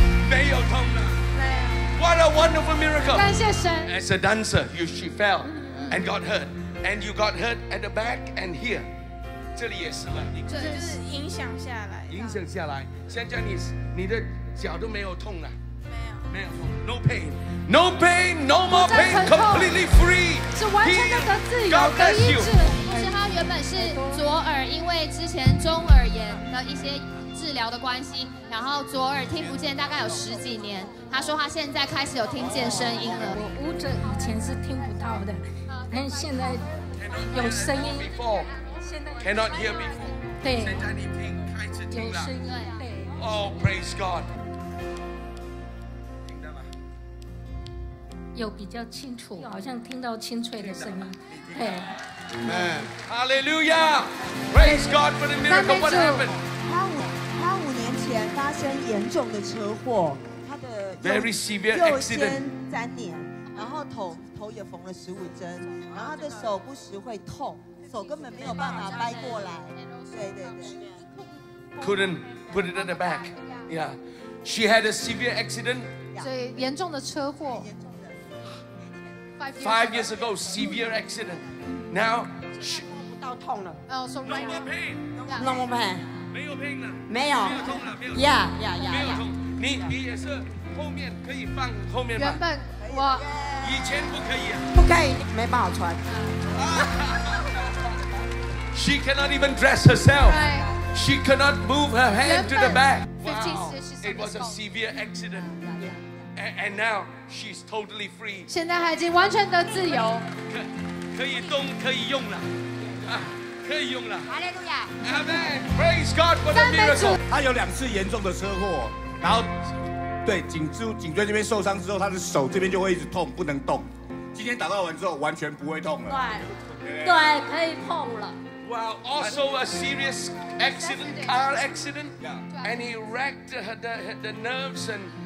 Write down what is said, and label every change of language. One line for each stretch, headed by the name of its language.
Chinese: 再一次。小心。看着嘛。哦。没有痛了。没有。
English: What a wonderful miracle!
Chinese: 感谢神。
English: As a dancer, she fell and got hurt, and you got hurt at the back and here.
Chinese: 这里也是稳定，就是影响下来，影响下来。现在你的脚都没有痛了，没有痛
English: ，no pain, no pain, no more pain, completely free,
Chinese: 是完全的得自由得医治。不是他原本是左耳，因为之前中耳炎的一些治疗的关系，然后左耳听不见大概有十几年。他说他现在开始有听见声音了。我捂着以前是听不到的，但现在有声音。
English: Cannot hear before.
Chinese: 现在你听，开始听了。对
English: 啊。Oh, praise God.
Chinese: 有比较清楚，好像听到清脆的声音。对
English: ，Amen, Hallelujah, praise God for the miracle. What happened?
Chinese: 他五年前发生严重的车祸，他的
English: very severe accident.
Chinese: 右肩粘连，然后头也缝了15针，然后他的手不时会痛，手根本没有办法掰过来。对。
English: Couldn't put it in the back. Yeah, she had a severe accident.
Chinese: 所以严重的车祸。
English: 5 years ago, severe accident. Now, she... No more pain. No more pain.
Chinese: 没有 pain 了。没有。Yeah, yeah, yeah. 没有痛。你也是后面可以放后面吗？原本我以前不可以。不可以，没办法穿。
English: She cannot even dress herself. She cannot move her hand to the back. Wow, it was a severe accident. And now she's totally free.
Chinese: 现在她已经完全的自由。可以动，可以用了，可以用了。
English: Hallelujah. Amen. Praise God for the miracle.
Chinese: 她有两次严重的车祸，然后对颈椎这边受伤之后，她的手这边就会一直痛，不能动。今天祷告完之后，完全不会痛了。对，可以碰了。
English: Well, also a serious accident, car accident. Yeah. And he wrecked the nerves and.